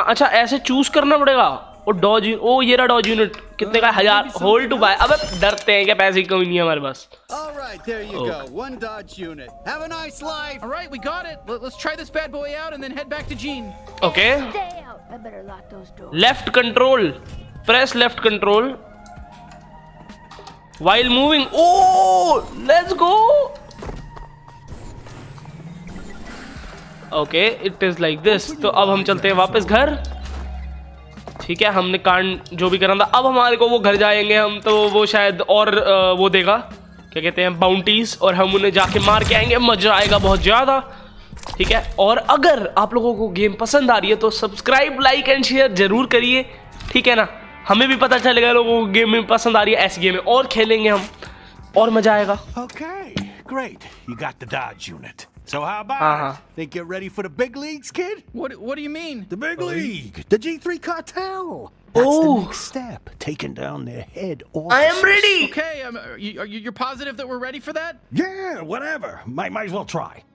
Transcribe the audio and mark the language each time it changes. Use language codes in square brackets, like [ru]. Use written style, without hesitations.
[hi] अच्छा, ऐसे चूज करना पड़ेगा. और डॉज, ओ ये रहा डॉज यूनिट. कितने का? 1000. Hold to bye. अबे डरते हैं क्या? पैसे की कमी नहीं है हमारे पास. [en] All right, there you go. One Dodge unit. Have a nice life. All right, we got it. Let's try this bad boy out and then head back to Jean. Okay. Stay out. I better lock those doors. Left control. Press left control. While moving. Oh, let's go. Okay, it is like this. [hi] तो अब हम चलते हैं वापस घर. ठीक है, हमने कांड जो भी करना था, अब हमारे को वो घर जाएंगे हम तो. वो शायद और वो देगा क्या कहते हैं बाउंटीज, और हम उन्हें जाके मार के आएंगे. मजा आएगा बहुत ज़्यादा. ठीक है, और अगर आप लोगों को गेम पसंद आ रही है तो सब्सक्राइब, लाइक एंड शेयर जरूर करिए. ठीक है ना, हमें भी पता चलेगा लोगों को गेम में पसंद आ रही है, ऐसी गेम और खेलेंगे हम और मजा आएगा. [en] Okay, great. You got the Dodge unit. So how about think you're ready for the big leagues, kid? What do you mean? The big league, the G3 cartel. That's the next step, taking down their head officers. I am ready. Okay, are you positive that we're ready for that? Yeah, whatever. Might as well try.